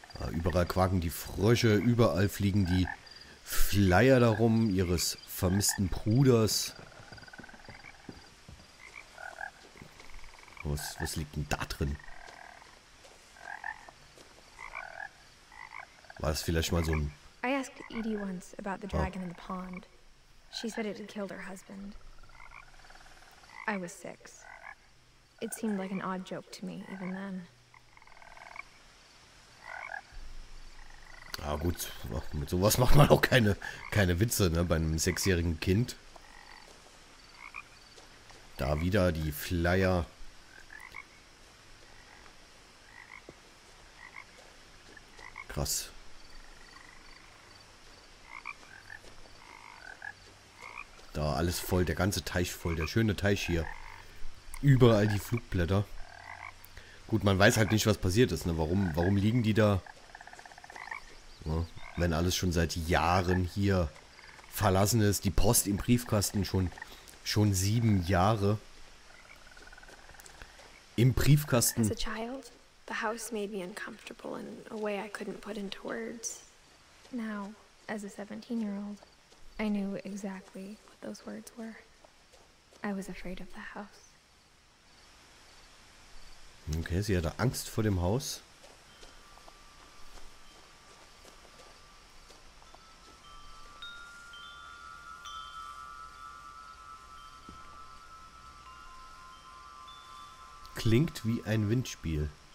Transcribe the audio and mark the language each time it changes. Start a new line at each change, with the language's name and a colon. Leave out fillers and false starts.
German: Überall quaken die Frösche, überall fliegen die Flyer darum, ihres vermissten Bruders. Was liegt denn da drin? War das vielleicht mal so ein...
English: I asked Edie once about the dragon in the pond. She said it had killed her husband. I was six. It seemed like an odd joke to me, even then.
German: Ah, gut, mit sowas macht man auch keine Witze, ne, bei einem sechsjährigen Kind. Da wieder die Flyer. Krass. Da alles voll, der ganze Teich voll, der schöne Teich hier. Überall die Flugblätter. Gut, man weiß halt nicht, was passiert ist, ne? Warum liegen die da? Ja, wenn alles schon seit Jahren hier verlassen ist, die Post im Briefkasten schon 7 Jahre. Im Briefkasten.
English: As a child, the house made me uncomfortable in a way I couldn't put into words. Now, as a 17-year-old, I knew exactly what those words were. I was afraid of the house.
German: Okay, sie hatte Angst vor dem Haus. Klingt wie ein Windspiel.